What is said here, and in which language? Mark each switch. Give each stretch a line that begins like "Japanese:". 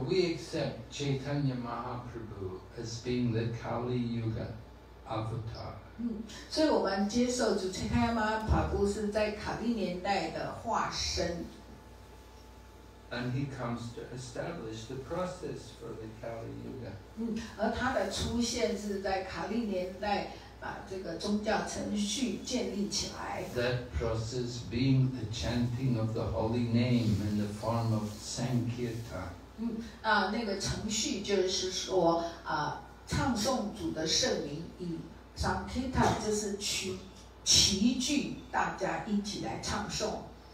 English: we accept Chaitanya Mahaprabhu as being the Kali Yuga avatar.
Chinese: 所以我们接受主Chaitanya Mahaprabhu是在卡利年代的化身。
English: And he comes to establish the process for the Kali Yuga.
Chinese: 而他的出现是在卡利年代。把这个宗教程序建立起来。
English: That process being the chanting of the holy name in the form of Sankirtan.
Chinese: 那个程序就是说唱颂主的圣名，以 Sankita 就是齐聚大家一起来唱颂。